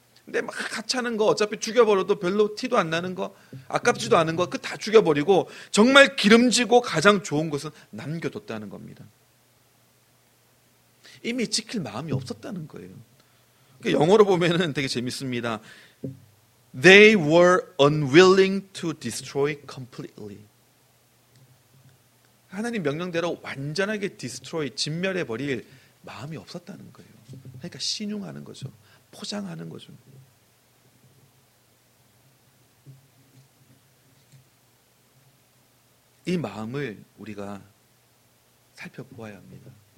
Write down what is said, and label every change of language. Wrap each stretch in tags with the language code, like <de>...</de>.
<ko>근데 막 가차는 거 어차피 죽여버려도 별로 티도 안 나는 거 아깝지도 않은 거 그 다 죽여버리고 정말 기름지고 가장 좋은 것은 남겨뒀다는 겁니다. 이미 지킬 마음이 없었다는 거예요. 그러니까 영어로 보면은 되게 재밌습니다.</ko> <en>They were unwilling to destroy completely.</en> <ko>하나님 명령대로 완전하게 destroy, 진멸해버릴 마음이 없었다는 거예요. 그러니까 신용하는 거죠. 포장하는 거죠. 이 마음을 우리가 살펴보아야 합니다.</ko>